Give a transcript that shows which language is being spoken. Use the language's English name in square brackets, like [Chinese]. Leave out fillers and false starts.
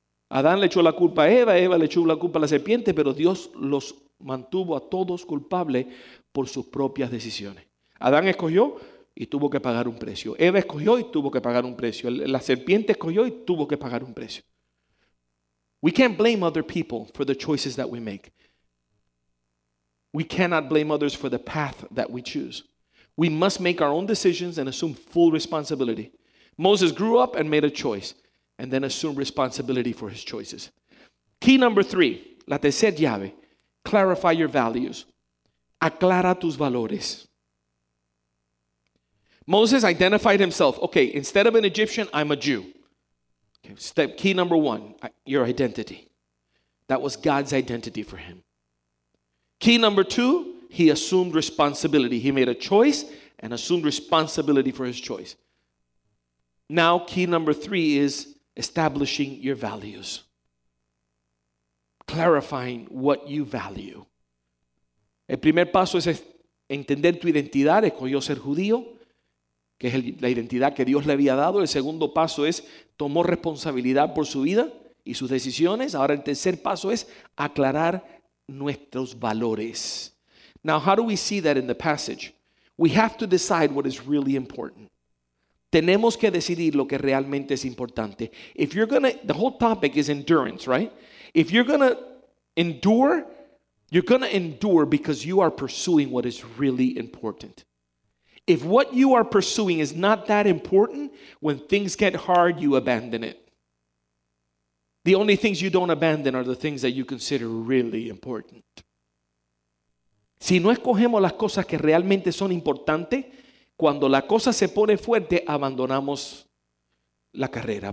[Spanish] Adán le echó la culpa a Eva, Eva le echó la culpa a la serpiente, pero Dios los mantuvo a todos culpables por sus propias decisiones. Adán escogió y tuvo que pagar un precio. Eva escogió y tuvo que pagar un precio. La serpiente escogió y tuvo que pagar un precio. [English] We can't blame other people for the choices that we make. We cannot blame others for the path that we choose. We must make our own decisions and assume full responsibility. Moses grew up and made a choice and then assumed responsibility for his choices. Key number three, [Spanish] la tercera llave, [English] clarify your values. [Spanish] Aclara tus valores. [English] Moses identified himself. Okay, instead of an Egyptian, I'm a Jew. Okay, step key number one, your identity. That was God's identity for him. Key number two, he assumed responsibility. He made a choice and assumed responsibility for his choice. Now, key number three is establishing your values. Clarifying what you value. [Spanish] El primer paso es entender tu identidad, escogió ser judío, que es la identidad que Dios le había dado. El segundo paso es tomó responsabilidad por su vida y sus decisiones. Ahora el tercer paso es aclarar nuestros valores. [English] Now, how do we see that in the passage? We have to decide what is really important. [Spanish] Tenemos que decidir lo que realmente es importante. [English] If you're gonna, the whole topic is endurance, right? If you're gonna endure, you're gonna endure because you are pursuing what is really important. If what you are pursuing is not that important, when things get hard, you abandon it. The only things you don't abandon are the things that you consider really important. [Spanish] Si no escogemos las cosas que realmente son importantes, cuando la cosa se pone fuerte, abandonamos la carrera.